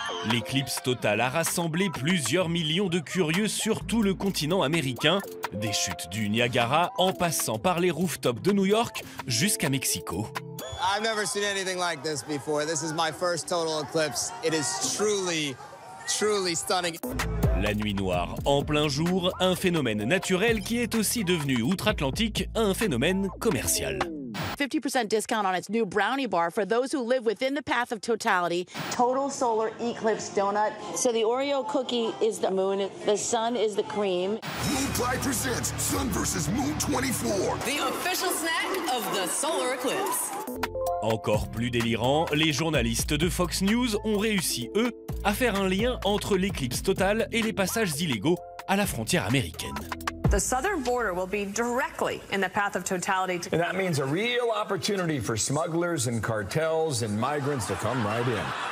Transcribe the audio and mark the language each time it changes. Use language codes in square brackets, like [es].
[fr] L'éclipse totale a rassemblé plusieurs millions de curieux sur tout le continent américain, des chutes du Niagara en passant par les rooftops de New York jusqu'à Mexico. [en] I've never seen anything like this before. This is my first total eclipse. It is truly, truly stunning. [fr] La nuit noire en plein jour, un phénomène naturel qui est aussi devenu outre-Atlantique un phénomène commercial. [en] 50% discount on its new brownie bar for those who live within the path of totality. Total solar eclipse donut. So the Oreo cookie is the moon, the sun is the cream. Moon Pie presents Sun vs. Moon 24. The official snack of the solar eclipse. [fr] Encore plus délirant, les journalistes de Fox News ont réussi, eux, à faire un lien entre l'éclipse totale et les passages illégaux à la frontière américaine. [en] The southern border will be directly in the path of totality. And that means a real opportunity for smugglers and cartels and migrants to come right in.